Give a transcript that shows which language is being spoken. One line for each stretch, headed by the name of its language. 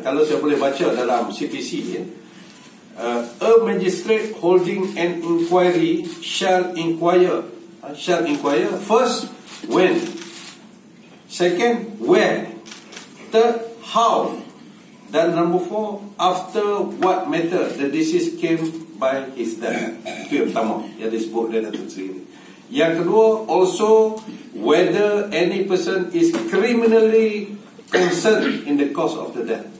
Indonesian: Kalau saya boleh baca dalam CPC, ya,
English: a magistrate holding an inquiry shall inquire first when, second where, third how, dan number four after what matter the disease came by his death.
Indonesian: Itu yang pertama yang disebut oleh Datuk Seri ini. Yang kedua,
English: also whether any person is criminally concerned in the cause of the death.